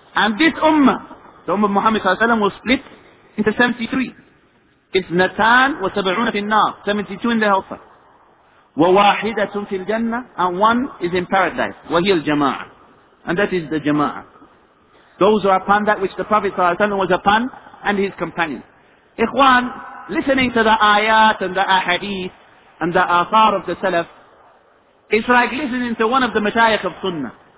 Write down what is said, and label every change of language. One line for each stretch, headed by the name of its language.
English: And this ummah, the ummah of Muhammad صلى الله عليه وسلم, will split into 73.
Arabic: اثنتان وسبعون في النار,
English: 72 in the hellfire.
Arabic: وَوَاحِدَةٌ فِي الْجَنَّةِ,
English: and one is in paradise.
Arabic: وَهِيَ الْجَمَاعَةِ,
English: and that is the jama'ah. Those are upon that which the Prophet صلى الله عليه وسلم was upon, and his companion. Ikhwan, listening to the ayat and the ahadith and the athar of the Salaf, it's like listening to one of the mashayikh of Sunnah.